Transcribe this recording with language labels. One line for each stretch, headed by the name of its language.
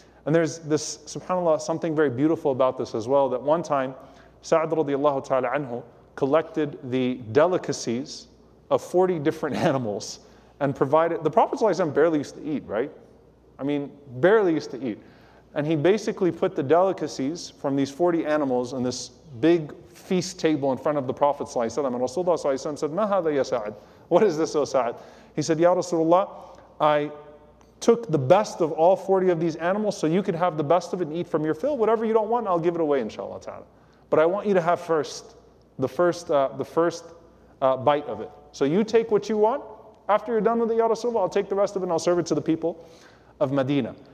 English: And there's this, subhanAllah, something very beautiful about this as well, that one time Sa'd radiallahu ta'ala anhu collected the delicacies of 40 different animals and provided, the Prophet ﷺ barely used to eat, right? I mean, barely used to eat. And he basically put the delicacies from these 40 animals on this big feast table in front of the Prophet ﷺ. And Rasulullah ﷺ said,
Arabic: ما هذا يا سعد?
English: What is this, O Sa'd? He said, Ya Rasulullah, I took the best of all 40 of these animals so you could have the best of it and eat from your fill. Whatever you don't want, I'll give it away, inshallah ta'ala. But I want you to have the first bite of it. So you take what you want. After you're done with the Ya Rasulullah, I'll take the rest of it and I'll serve it to the people of Medina.